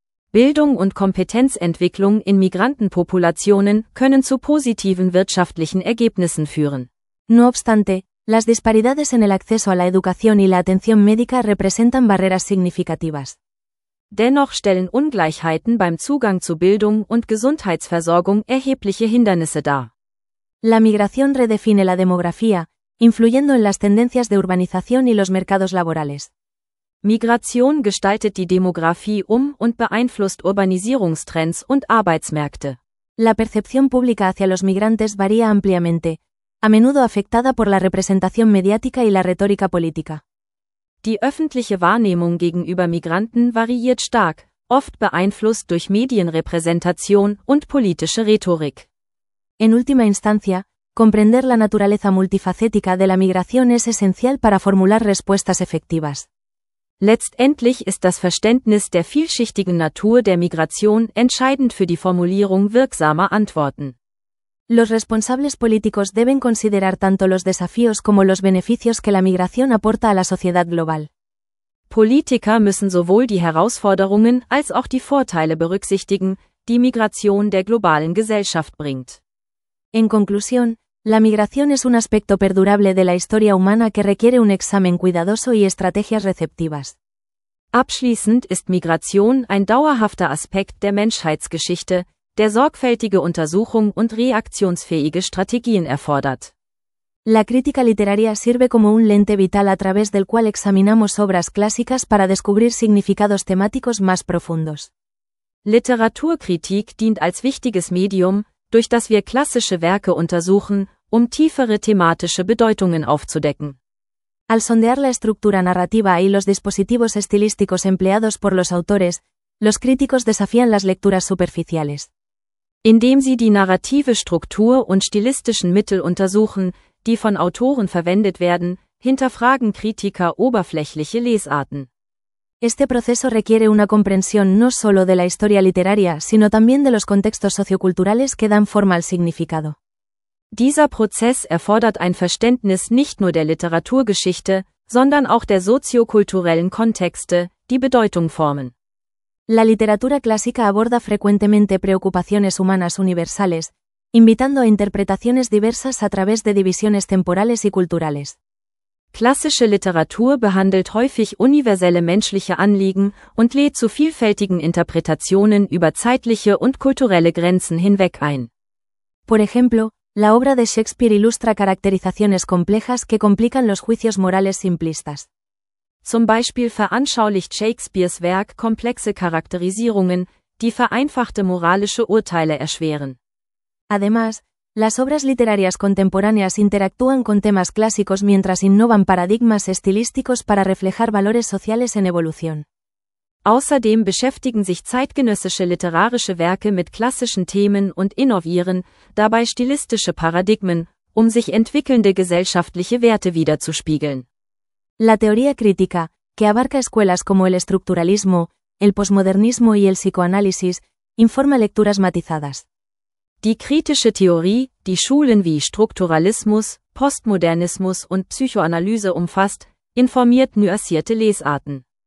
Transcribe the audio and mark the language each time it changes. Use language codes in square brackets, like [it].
[de] Bildung und Kompetenzentwicklung in Migrantenpopulationen können zu positiven wirtschaftlichen Ergebnissen führen. [es] No obstante, las disparidades en el acceso a la educación y la atención médica representan barreras significativas. [de] Dennoch stellen Ungleichheiten beim Zugang zu Bildung und Gesundheitsversorgung erhebliche Hindernisse dar. [es] La migración redefine la demografía, influyendo en las tendencias de urbanización y los mercados laborales. [de] Migration gestaltet die Demografie und beeinflusst Urbanisierungstrends und Arbeitsmärkte. [es] La percepción pública hacia los migrantes varía ampliamente, a menudo afectada por la representación mediática y la retórica política. [de] Die öffentliche Wahrnehmung gegenüber Migranten variiert stark, oft beeinflusst durch Medienrepräsentation und politische Rhetorik. [es] En última instancia, comprender la naturaleza multifacética de la migración es esencial para formular respuestas efectivas. [de] Letztendlich ist das Verständnis der vielschichtigen Natur der Migration entscheidend für die Formulierung wirksamer Antworten. [es] Los responsables políticos deben considerar tanto los desafíos como los beneficios que la migración aporta a la sociedad global. [de] Politiker müssen sowohl die Herausforderungen als auch die Vorteile berücksichtigen, die Migration der globalen Gesellschaft bringt. [es] En conclusión, la migración es un aspecto perdurable de la historia humana que requiere un examen cuidadoso y estrategias receptivas. [de] Abschließend ist Migration ein dauerhafter Aspekt der Menschheitsgeschichte, der sorgfältige Untersuchung und reaktionsfähige Strategien erfordert. [es] La crítica literaria sirve como un lente vital a través del cual examinamos obras clásicas para descubrir significados temáticos más profundos. [de] Literaturkritik dient als wichtiges Medium, durch das wir klassische Werke untersuchen, tiefere thematische Bedeutungen aufzudecken. [es] Al sondear la estructura narrativa y los dispositivos estilísticos empleados por los autores, los críticos desafían las lecturas superficiales. [de] Indem sie die narrative Struktur und stilistischen Mittel untersuchen, die von Autoren verwendet werden, hinterfragen Kritiker oberflächliche Lesarten. [es] Este proceso requiere una comprensión no solo de la historia literaria, sino también de los contextos socioculturales que dan forma al significado. [de] Dieser Prozess erfordert ein Verständnis nicht nur der Literaturgeschichte, sondern auch der soziokulturellen Kontexte, die Bedeutung formen. [es] La literatura clásica aborda frecuentemente preocupaciones humanas universales, invitando a interpretaciones diversas a través de divisiones temporales y culturales. [de] Klassische Literatur behandelt häufig universelle menschliche Anliegen und lädt zu vielfältigen Interpretationen über zeitliche und kulturelle Grenzen hinweg ein. [es] Por ejemplo, la obra de Shakespeare ilustra caracterizaciones complejas que complican los juicios morales simplistas. [de] Zum Beispiel veranschaulicht Shakespeares Werk komplexe Charakterisierungen, die vereinfachte moralische Urteile erschweren. [es] Además, las obras literarias contemporáneas interactúan con temas clásicos mientras innovan paradigmas estilísticos para reflejar valores sociales en evolución. [de] Außerdem beschäftigen sich zeitgenössische literarische Werke mit klassischen Themen und innovieren dabei stilistische Paradigmen, sich entwickelnde gesellschaftliche Werte wiederzuspiegeln. [es] La teoría crítica, que abarca escuelas como el estructuralismo, el posmodernismo y el psicoanálisis, informa lecturas matizadas. [de] Die kritische Theorie, die Schulen wie Strukturalismus, Postmodernismus und Psychoanalyse umfasst, informiert nuancierte Lesarten.